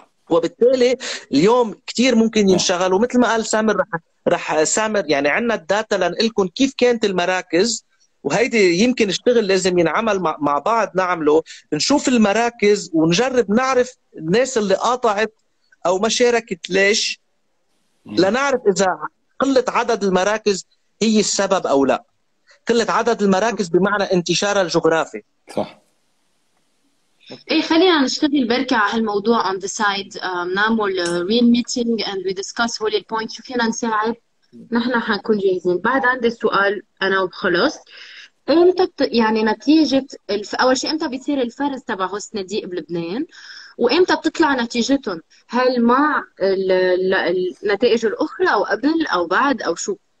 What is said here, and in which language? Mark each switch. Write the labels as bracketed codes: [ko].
[ar] وبالتالي اليوم كتير ممكن ينشغل، ومثل ما قال سامر، رح سامر يعني عنا الداتا لنقلكم كيف كانت المراكز، وهيدي يمكن اشتغل لازم ينعمل مع بعض، نعمله نشوف المراكز ونجرب نعرف الناس اللي قاطعت او ما شاركت ليش، لنعرف اذا قلة عدد المراكز هي السبب او لا. قلة عدد المراكز بمعنى انتشارها الجغرافي. صح. إيه خلينا نشتغل بركة على هالموضوع [en] on the side، [ar] نعمل [en] real meeting and we discuss all the points. [ar] شو فينا نساعد؟ نحن حنكون جاهزين. بعد عندي سؤال أنا وخلص. إمتى يعني نتيجة أول شيء إمتى بيصير الفرز تبع غصن دي بلبنان، وإمتى بتطلع نتيجتهم؟ هل مع النتائج الأخرى أو قبل أو بعد أو شو؟